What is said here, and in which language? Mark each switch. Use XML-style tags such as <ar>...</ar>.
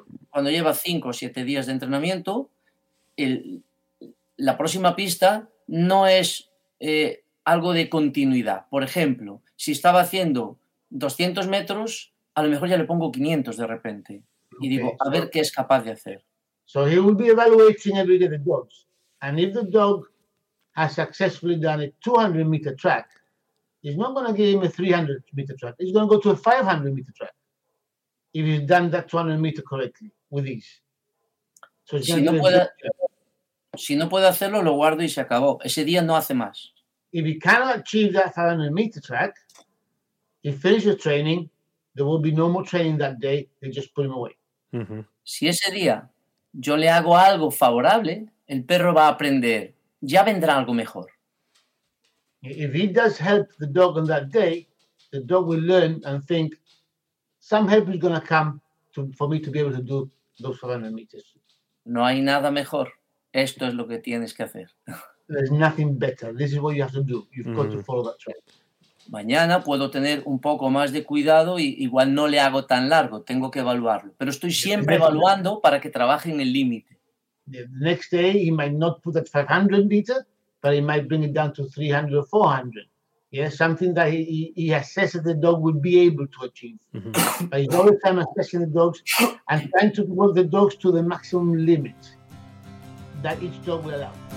<es>Cuando lleva 5 o 7 días de entrenamiento, la próxima pista no es algo de continuidad. Por ejemplo, si estaba haciendo 200 metros, a lo mejor ya le pongo 500 de repente. Okay. Y digo, a ver qué es capaz de hacer.</es> <en>So he will be evaluating every day the dogs. And if the dog has successfully done a 200-meter track, he's not going to give him a 300-meter track. He's going to go to a 500-meter track if he's done that 200-meter correctly with ease.</en> <es>So si no puede hacerlo, lo guardo y se acabó. Ese día no hace más.</es> <en>If he cannot achieve that 500-meter track, he finishes training, there will be no more training that day, they just put him away. Mm-hmm.</en> <es>Si ese día yo le hago algo favorable, el perro va a aprender. Ya vendrá algo mejor.</es> <en>If he does help the dog on that day, the dog will learn and think, some help is going to come for me to be able to do those 400 meters.</en> <es>No hay nada mejor. Esto es lo que tienes que hacer.</es> <en>There's nothing better. This is what you have to do. You've got to follow that track.</en> <es>mañana puedo tener un poco más de cuidado y igual no le hago tan largo, tengo que evaluarlo. Pero estoy siempre evaluando para que trabaje en el límite.</es> <en>The next day he might not put at 500 meters, but he might bring it down to 300 or 400. Yeah, something that he assesses the dog would be able to achieve. Mm-hmm. But he's all the time assessing the dogs and trying to work the dogs to the maximum limit that each dog will allow.</en>